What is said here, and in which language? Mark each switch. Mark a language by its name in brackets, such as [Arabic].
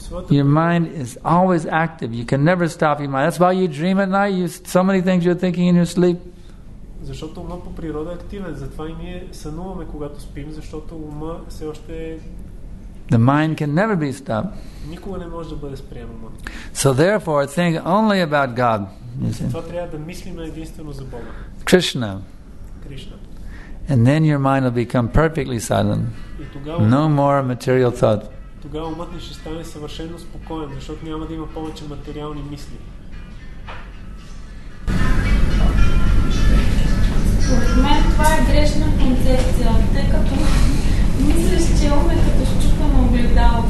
[English] Your mind is always active. You can never stop your mind. That's why you dream at night. So many things you're thinking in your sleep. [Bulgarian] Защото умът по природа е активен. Затова и ние сънуваме когато спим, защото умът все още е... [English] The mind can never be stopped. [Bulgarian] Никога не може да бъде спрямо умът. [English] So therefore, think only about God. [Bulgarian] Това трябва да мислим единствено за Бога. Кришна. Кришна. [English] And then your mind will become perfectly silent. [Bulgarian] И тогава, [English] no more material thought. [Bulgarian] Тогава умът ни ще стане съвършено спокоен, защото няма да има повече материални мисли. Според мен това е грешна концепция, тъй като мислиш, че ум е като счупа на огледало.